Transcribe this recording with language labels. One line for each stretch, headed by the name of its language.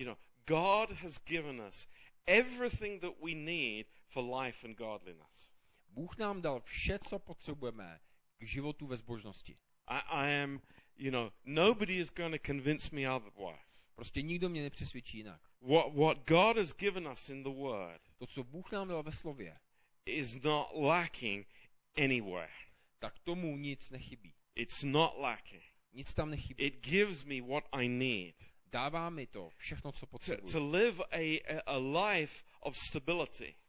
English: You know, God has given us everything that we need for life and godliness.
Czech: Bůh nám dal vše, co potřebujeme k životu ve zbožnosti.
English: I am, you know, nobody is going to convince me otherwise.
Czech: Prostě nikdo mě nepřesvědčí jinak.
English: What God has given us in the word.
Czech: To, co Bůh nám dal ve slově.
English: Is not lacking anywhere.
Czech: Tak tomu nic nechybí.
English: It's not lacking.
Czech: Nic tam nechybí.
English: It gives me what I need.
Czech: Dává mi to všechno, co potřebuji.
English: To live a life of stability.